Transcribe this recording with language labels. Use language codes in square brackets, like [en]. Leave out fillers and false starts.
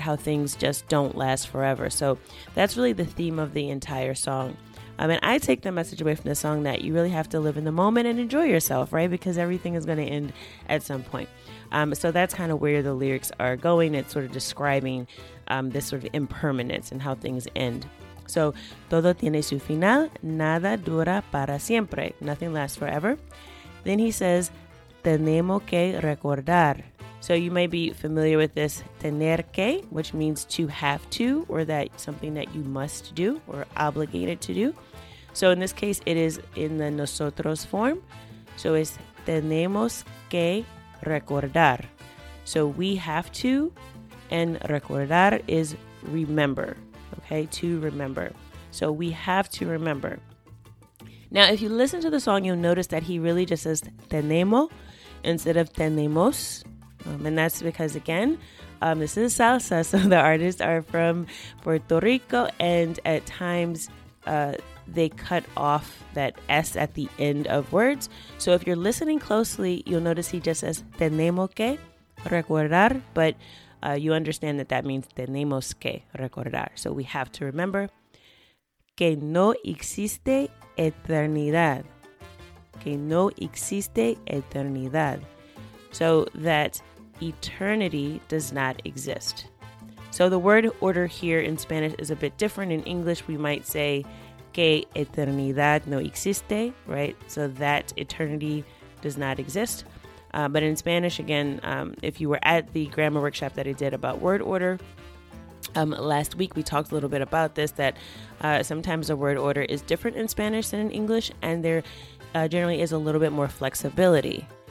[en] How things just don't last forever. So, that's really the theme of the entire song. I mean, I take the message away from the song that you really have to live in the moment and enjoy yourself, right? Because everything is going to end at some point. So that's kind of where the lyrics are going. It's sort of describing this sort of impermanence and how things end. [es] So, todo tiene su final, nada dura para siempre. [en] Nothing lasts forever. Then he says, [es] tenemos que recordar. [en] So you may be familiar with this, tener que, which means to have to, or that something that you must do or obligated to do. So in this case, it is in the nosotros form. So it's [es] tenemos que recordar. [en] So we have to, and recordar is remember, okay, to remember. So we have to remember. Now, if you listen to the song, you'll notice that he really just says tenemos instead of tenemos. And that's because, again, this is salsa, so the artists are from Puerto Rico, and at times they cut off that S at the end of words. So if you're listening closely, you'll notice he just says, [es] tenemos que recordar, [en] but you understand that that means tenemos que recordar. So we have to remember. [es] Que no existe eternidad. Que no existe eternidad. [en] So that eternity does not exist. So the word order here in Spanish is a bit different. In English, we might say [es] que eternidad no existe, [en] right? So that eternity does not exist. But in Spanish, again, if you were at the grammar workshop that I did about word order last week, we talked a little bit about this, that sometimes the word order is different in Spanish than in English, and there generally is a little bit more flexibility.